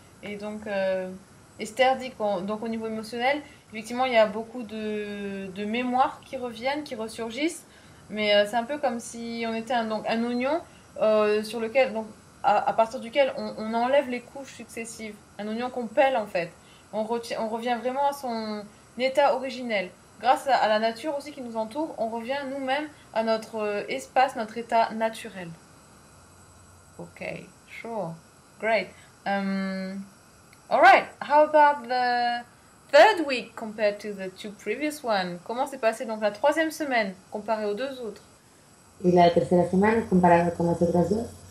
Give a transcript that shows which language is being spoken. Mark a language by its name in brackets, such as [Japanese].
[French] Et donc, Esther dit donc au niveau émotionnel, effectivement, il y a beaucoup de mémoires qui reviennent, qui ressurgissent, mais c'est un peu comme si on était un oignon sur lequel, donc, à partir duquel on enlève les couches successives, un oignon qu'on pèle en fait. On revient vraiment à son état originel. Grâce à la nature aussi qui nous entoure, on revient nous-mêmes à notre espace, notre état naturel. [English] Ok, sure, great. All right, how about the third week compared to the two previous one? [French] Comment s'est passée donc la troisième semaine comparée aux deux autres? [Spanish] ¿Y la tercera semana comparada con las otras dos?